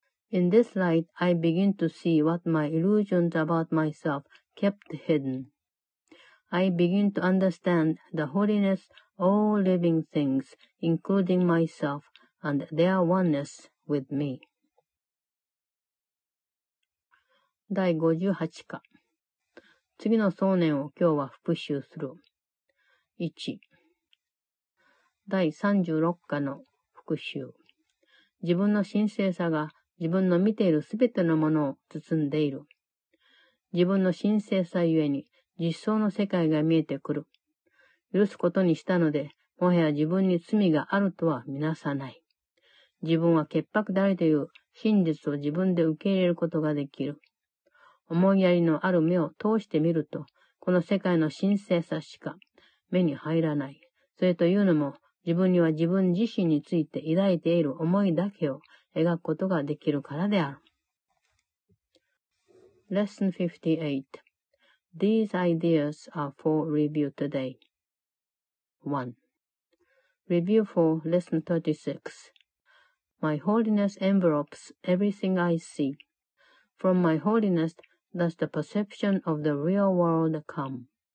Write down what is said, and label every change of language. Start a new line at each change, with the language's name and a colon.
English: In this light, I begin to see what my illusions about myself kept hidden. I begin to understand the holiness of all living things, including myself, and their oneness with me.
Japanese: 第58課。次の想念を今日は復習する。 1。 第36課の復習。自分の神聖さが自分の見ているすべてのものを包んでいる。自分の神聖さゆえに実相の世界が見えてくる。許すことにしたので、もはや自分に罪があるとはみなさない。自分は潔白であるという真実を自分で受け入れることができる。思いやりのある目を通してみると、この世界の神聖さしか目に入らない。それというのも、自分には自分自身について抱いている思いだけを描くことができるからである。
English: Lesson 58. These ideas are for review today. 1. Review for Lesson 36. My holiness envelops everything I see. From my holiness does the perception of the real world come.